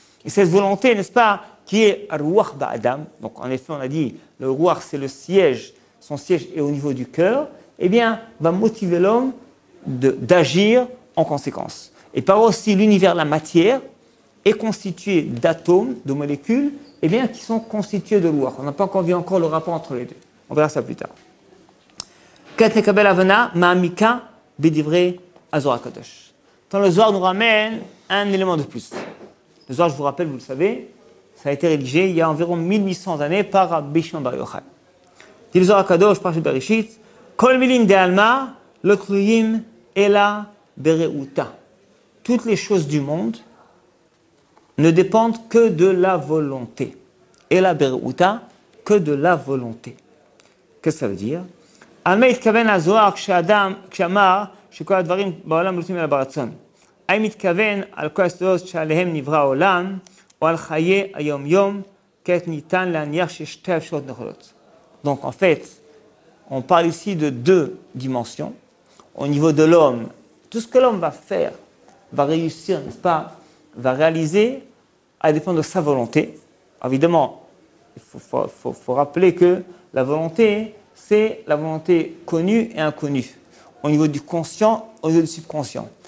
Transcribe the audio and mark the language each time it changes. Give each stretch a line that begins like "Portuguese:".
French: Et cette volonté, n'est-ce pas, qui est Ruach Ba'adam, donc en effet, on a dit, le Ruach, c'est le siège, son siège est au niveau du cœur, eh bien, va motiver l'homme d'agir en conséquence. Et par aussi, l'univers, la matière, est constitué d'atomes, de molécules, eh bien, qui sont constituées de Ruach. On n'a pas encore vu encore le rapport entre les deux. On verra ça plus tard.
Hebrew: כת נקבל הבנה מעמיקה בדברי הזוהר הקדוש.
French: Donc le Zohar nous ramène un élément de plus. Le Zohar, je vous rappelle, vous le savez, ça a été rédigé il y a environ 1800 années par Rabbi Shimon Bar Yochai. Dit le Zohar
Hebrew: הקדוש, פרשת בראשית, כל מילים דעלמא לא תלויים אלא ברעותה.
French: Toutes les choses du monde ne dépendent que de la volonté.
Aramaic: Ela berouta,
French: que de la volonté. Qu'est-ce que ça veut dire?
Hebrew: על מה התכוון הזוהר כשאמר שכל הדברים בעולם לא תלויים אלא ברצון? האם התכוון על כל הסודות שעליהם נברא העולם או על חיי היום-יום כעת ניתן להניח שיש שתי אפשרות נכונות?
French: Donc en fait, on parle ici de deux dimensions. Au niveau de l'homme, tout ce que l'homme va faire, va réussir, n'est-ce pas, va réaliser, à dépend de sa volonté. Évidemment, il faut rappeler que la volonté, c'est la volonté connue et inconnue, au niveau du conscient, au niveau du subconscient.